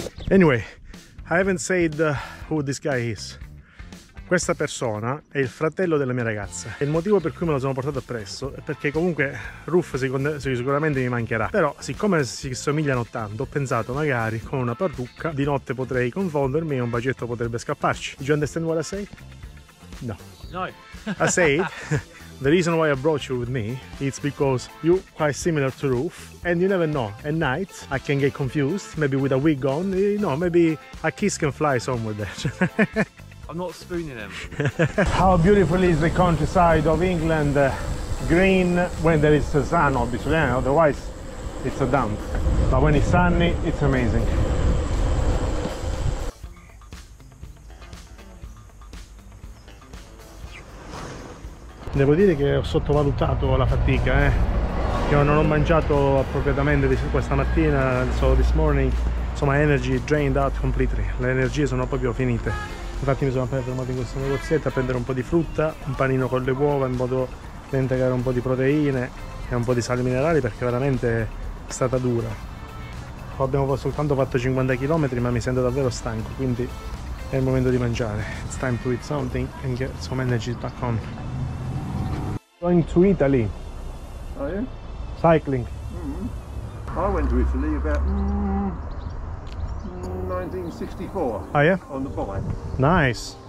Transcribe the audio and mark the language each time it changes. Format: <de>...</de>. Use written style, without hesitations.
<en>Anyway, I haven't said who this guy is.</en> <it>Questa persona è il fratello della mia ragazza. Il motivo per cui me lo sono portato appresso è perché comunque Ruff sicuramente mi mancherà. Però siccome si somigliano tanto, ho pensato magari con una parrucca di notte potrei confondermi e un bacetto potrebbe scapparci.</it> <en>Do you understand what I say? No. No. I said, the reason why I brought you with me is because you're quite similar to Roof, and you never know, at night I can get confused, maybe with a wig on, you know, maybe a kiss can fly somewhere there. I'm not spooning him. How beautiful is the countryside of England, green when there is sun, obviously, otherwise it's a dump. But when it's sunny, it's amazing.</en> <it>Devo dire che ho sottovalutato la fatica, che non ho mangiato appropriatamente questa mattina,</it> <en>so this morning,</en> <it>insomma,</it> <en>energy drained out completely,</en> <it>le energie sono proprio finite. Infatti mi sono appena fermato in questo negozietto a prendere un po' di frutta, un panino con le uova, in modo da integrare un po' di proteine e un po' di sali minerali, perché veramente è stata dura. Abbiamo soltanto fatto 50 km, ma mi sento davvero stanco, quindi è il momento di mangiare.</it> <en>It's time to eat something and get some energy back on. Going to Italy. Are you? Cycling. Mm-hmm. I went to Italy about 1964. Oh yeah? On the bike. Nice.</en>